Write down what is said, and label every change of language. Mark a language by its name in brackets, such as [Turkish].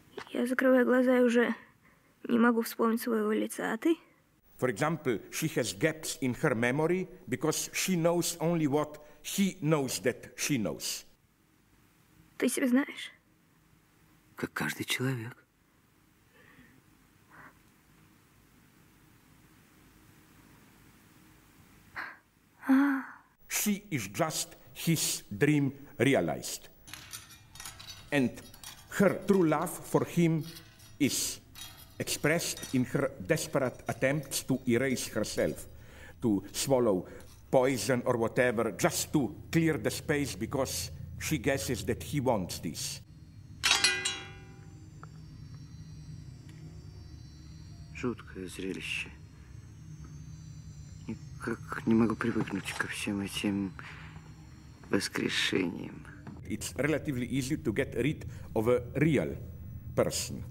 [Russian] Я закрываю глаза и уже не могу вспомнить своего лица. А ты? [English] For example, she has gaps in her memory because she knows only what he knows that she knows. [Russian] Ты себя знаешь? Как каждый человек. [English] She is just his dream realized. And her true love for him is expressed in her desperate attempts to erase herself, to swallow poison or whatever, just to clear the space because she guesses that he wants this. [Russian] Жуткое зрелище. Как не могу привыкнуть ко всем этим воскрешениям. [English] It's relatively easy to get rid of a real person.